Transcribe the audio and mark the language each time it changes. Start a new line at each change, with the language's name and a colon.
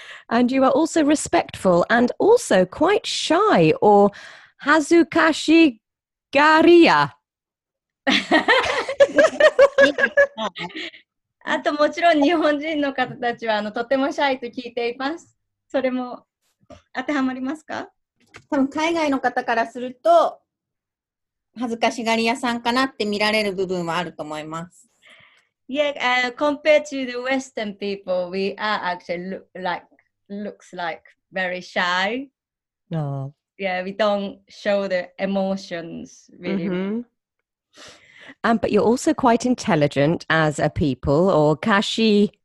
English: And you are also respectful and also quite shy or
Japanese: hazukashi garia. あともちろん日本人の方たちはあのとてもシャイと聞いています。それも当てはまりますか？多分海外の方からすると恥ずかしがり屋さんかなって見られる部分はあると思います。
English: Yeah, compared to the Western people, we are actually looks like very shy. No. Yeah, we don't show the emotions really. Mm-hmm. But you're also quite intelligent as a people, or
Japanese: kashi